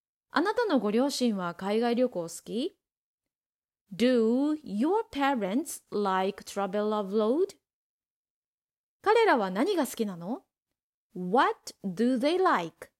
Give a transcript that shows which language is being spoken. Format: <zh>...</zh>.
<ja>あなたのご両親は海外旅行好き?</ja> <en>Do your parents like travel abroad?</en> <ja>彼らは何が好きなの?</ja> <en>What do they like?</en>